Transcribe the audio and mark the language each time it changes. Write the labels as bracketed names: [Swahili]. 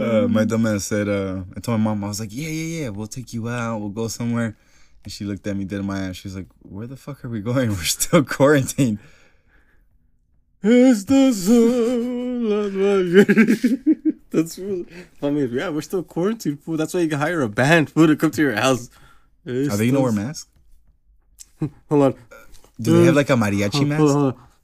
[English] My dumbass said, I told my mom, I was like, yeah, we'll take you out, we'll go somewhere. And she looked at me dead in my eyes. She's like, where the fuck are we going? We're still quarantined. [Spanish] Estas son las mañanitas. [English] That's really, I mean, yeah, we're still quarantined, fool. That's why you can hire a band, fool, to come to your house. Are they going to wear masks? Hold on. Do they have like a mariachi mask?